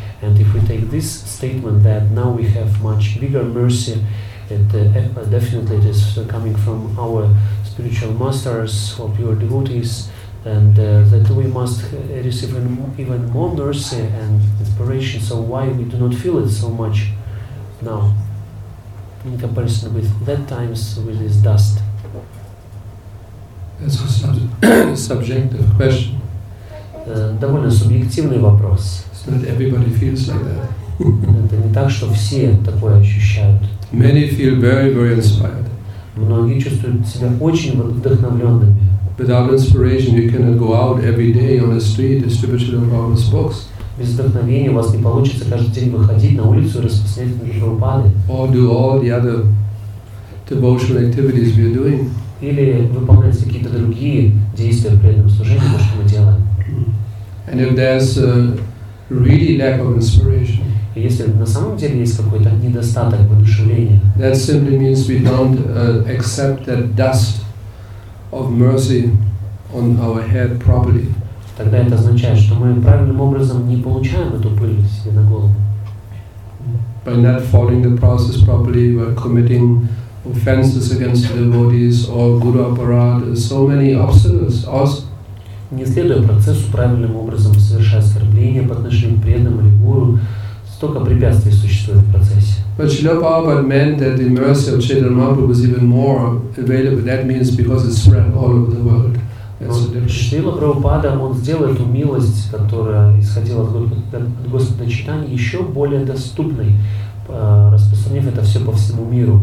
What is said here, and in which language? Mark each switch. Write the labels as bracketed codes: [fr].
[en] And if we take this statement that now we have much bigger mercy, definitely it is coming from our spiritual masters or pure devotees, and that we must receive even more mercy and inspiration. So why we do not feel it so much now in comparison with that times with this dust? That's a subjective question. [ru] довольно субъективный вопрос. [en] So that everybody feels like that. [ru] Это не так, что все такое ощущают. [en] Many feel very, very inspired. [ru] Многие чувствуют себя очень вдохновленными. [en] Without inspiration, you cannot go out every day on the street distributing Prabhupada's books. [ru] Без вдохновения у вас не получится каждый день выходить на улицу и распространять Прабхупады. [en] Or do all the other devotional activities we are doing. [ru] Или выполнять какие-то другие действия при этом служении, то, что мы делаем. [en] And if there's a really lack of inspiration, [ru] если на самом деле есть какой-то недостаток воодушевления, [en] that simply means we don't accept that dust of mercy on our head properly. [ru] Тогда это означает, что мы правильным образом не получаем эту пыль себе на голову. [en] By not following the process properly, we're committing offenses against the devotees or Guru Aparadha, so many obstacles. [ru] Не следуя процессу правильным образом, совершая оскорбления по отношению к преданным или гуру, столько препятствий существует в процессе. [en] But Srila Prabhupada meant that the mercy of Chaitanya Mahaprabhu was even more available. That means because it spread all over the world. [ru] Srila Prabhupada, он сделал эту милость, которая исходила от Господа Чайтаньи, еще более доступной, распространив это все по всему миру.